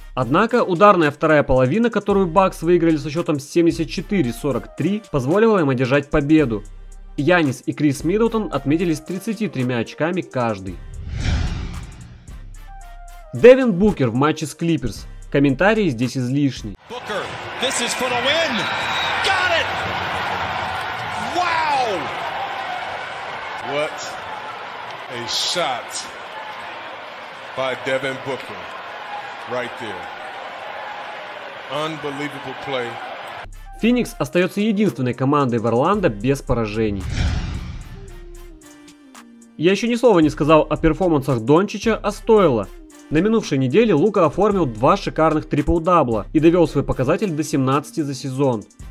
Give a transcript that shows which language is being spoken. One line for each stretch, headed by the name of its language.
Russian: Однако ударная вторая половина, которую Бакс выиграли со счетом 74-43, позволила им одержать победу. Янис и Крис Миддлтон отметились 33 очками каждый. Девин Букер в матче с Клиперс. Комментарии здесь излишни.
English: Booker, this is for the win. Got it! Wow! What a shot by Devin Booker. Right there. Unbelievable play.
Russian: Феникс остается единственной командой в Орландо без поражений. Я еще ни слова не сказал о перформансах Дончича, а стоило. На минувшей неделе Лука оформил два шикарных трипл-дабла и довел свой показатель до 17 за сезон.